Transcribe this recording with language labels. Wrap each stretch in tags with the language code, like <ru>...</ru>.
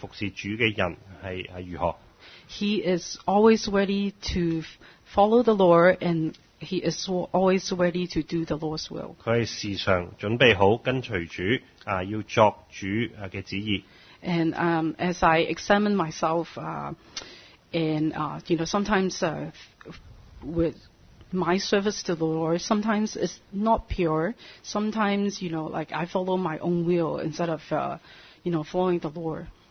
<yue>读以西结书那里，我实在见到主是俾我见到一个真正服侍主嘅人系如何。</yue> <en>He is always ready to follow the Lord, and he is always ready to do the Lord's will.</en> <yue>佢系时常准备好跟随主，要作主嘅旨意。</yue> <en>And as I examine myself, sometimes with my service to the Lord, sometimes it's not pure. Sometimes, you know, like I follow my own will instead of, you know, following the Lord.</en>